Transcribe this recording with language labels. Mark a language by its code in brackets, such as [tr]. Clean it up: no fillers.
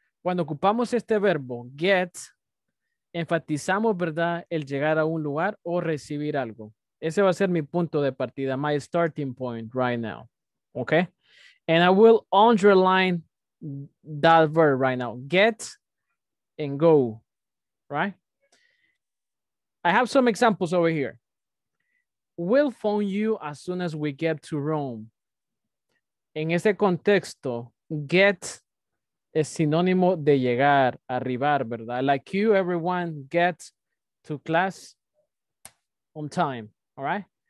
[es] Cuando ocupamos este verbo, get, enfatizamos, ¿verdad?, el llegar a un lugar o recibir algo. Ese va a ser mi punto de partida, [en] my starting point right now. Okay? And I will underline that verb right now. Get and go. Right? I have some examples over here. We'll phone you as soon as we get to Rome. [es] En ese contexto, get es sinónimo de llegar, arribar, ¿verdad? [en] Like you, everyone, get to class on time, all right?